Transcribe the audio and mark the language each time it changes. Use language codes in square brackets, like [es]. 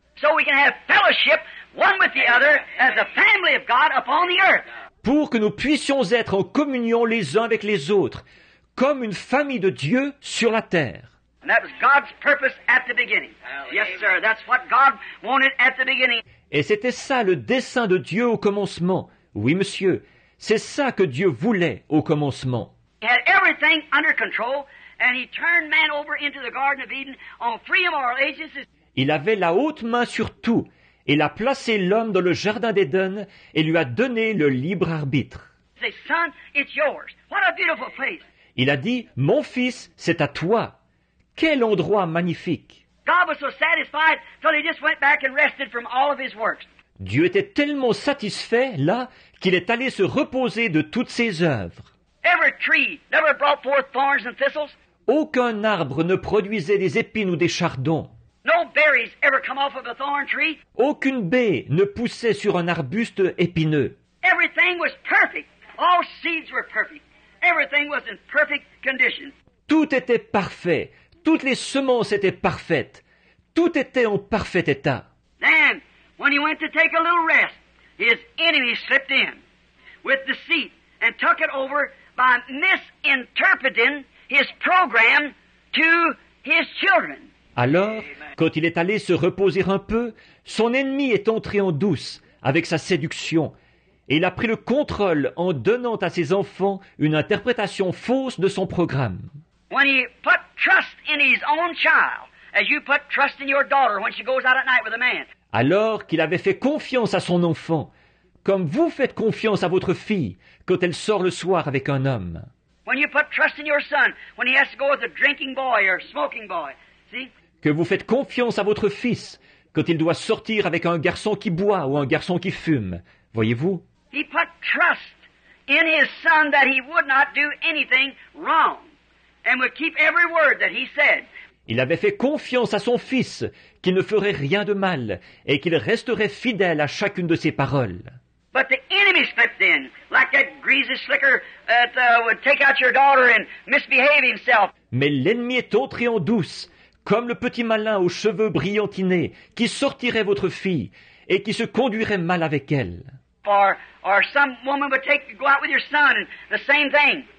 [en] So we can have fellowship one with the other as a family of God upon the earth. [fr] Pour que nous puissions être en communion les uns avec les autres, comme une famille de Dieu sur la terre. [en] And that was God's purpose at the beginning. Yes, sir. That's what God wanted at the beginning. [fr] Et c'était ça le dessein de Dieu au commencement. Oui, monsieur. C'est ça que Dieu voulait au commencement. [en] He had everything under control, and he turned man over into the Garden of Eden on three immoral agencies. [fr] Il avait la haute main sur tout. Il a placé l'homme dans le jardin d'Éden et lui a donné le libre arbitre. [en] Say, son, it's yours. What a beautiful place. [fr] Il a dit, mon fils, c'est à toi. Quel endroit magnifique! [en] God was so satisfied till he just went back and rested from all of his works. [fr] Dieu était tellement satisfait là qu'il est allé se reposer de toutes ses œuvres. [en] Every tree never brought forth thorns and thistles. [fr] Aucun arbre ne produisait des épines ou des chardons. [en] No berries ever come off of a thorn tree. [fr] Aucune baie ne poussait sur un arbuste épineux. [en] Everything was perfect. All seeds were perfect. Everything was in perfect condition. [fr] Tout était parfait. Toutes les semences étaient parfaites. Tout était en parfait état. [en] Then, when he went to take a little rest, his enemy slipped in with deceit and took it over by misinterpreting his program to his children. [fr] Alors, quand il est allé se reposer un peu, son ennemi est entré en douce avec sa séduction et il a pris le contrôle en donnant à ses enfants une interprétation fausse de son programme. [en] When he put trust in his own child, as you put trust in your daughter when she goes out at night with a man. [fr] Alors qu'il avait fait confiance à son enfant, comme vous faites confiance à votre fille quand elle sort le soir avec un homme. [en] When you put trust in your son, when he has to go with a drinking boy or a smoking boy. See? [fr] Que vous faites confiance à votre fils quand il doit sortir avec un garçon qui boit ou un garçon qui fume. Voyez-vous? [en] He put trust in his son that he would not do anything wrong. And would keep every word that he said. [fr] Il avait fait confiance à son fils qu'il ne ferait rien de mal et qu'il resterait fidèle à chacune de ses paroles. [en] But the enemy slipped in, like that greasy slicker that would take out your daughter and misbehave himself. [fr] Mais l'ennemi est entré en douce, comme le petit malin aux cheveux brillantinés qui sortirait votre fille et qui se conduirait mal avec elle. [en] Or some woman would take you go out with your son, and the same thing.